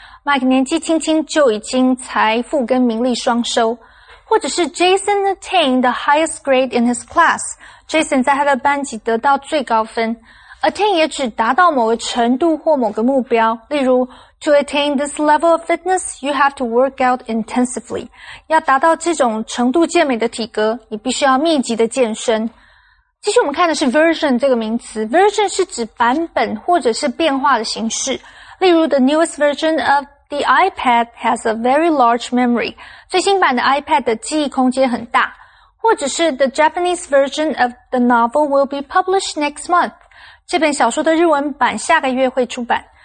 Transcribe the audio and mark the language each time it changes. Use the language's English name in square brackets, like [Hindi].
[Chinese] Mike 年纪轻轻就已经财富跟名利双收。或者是 [English] Jason attained the highest grade in his class. [Chinese] Jason 在他的班级得到最高分。Attain 也指达到某个程度或某个目标。例如 [English] To attain this level of fitness, you have to work out intensively. [Chinese] 要达到这种程度健美的体格，你必须要密集的健身。继续我们看的是 version 这个名词。Version 是指版本或者是变化的形式。例如 [English] The newest version of the iPad has a very large memory. [Chinese] 最新版的 iPad 的记忆空间很大。或者是 [English] The Japanese version of the novel will be published next month. [Chinese] 这本小说的日文版下个月会出版。